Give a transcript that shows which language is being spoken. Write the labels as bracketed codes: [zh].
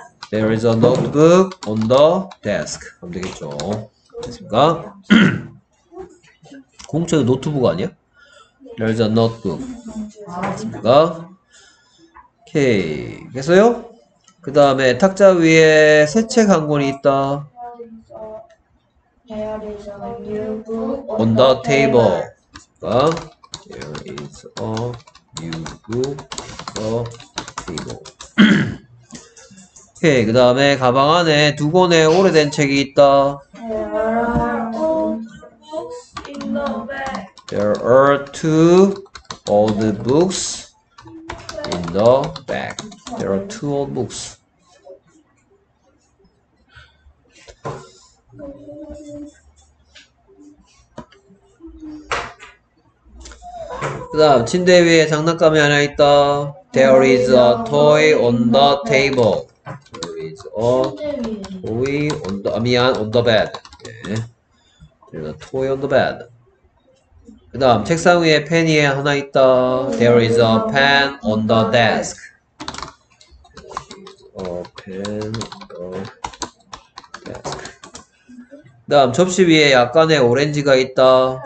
[en] There is a notebook on the desk. [ko] 하면 되겠죠. 됐습니까? 공책은 노트북 아니야? [en] There is a notebook. [ko] 됐습니까? 오케이. 됐어요? 그 다음에 탁자 위에 새 책 한 권이 있다. [en] There is a new book on the table. There is a new book on the table. [ko] 오케이, 그 다음에 가방 안에 두 권의 오래된 책이 있다. [en] There are old books in the bag. There are two old books in the back. There are two old books. Then, [ko] 침대 위에 장난감이 하나 있다. [en] There is a toy on the table. There is a toy on the, [ko] 미안, [en] on the bed. There's a toy on the bed. [ko] 그 다음 책상 위에 펜이 하나 있다. [en] There is a pen on the desk. A pen on the desk. [ko] 그 다음 접시 위에 약간의 오렌지가 있다.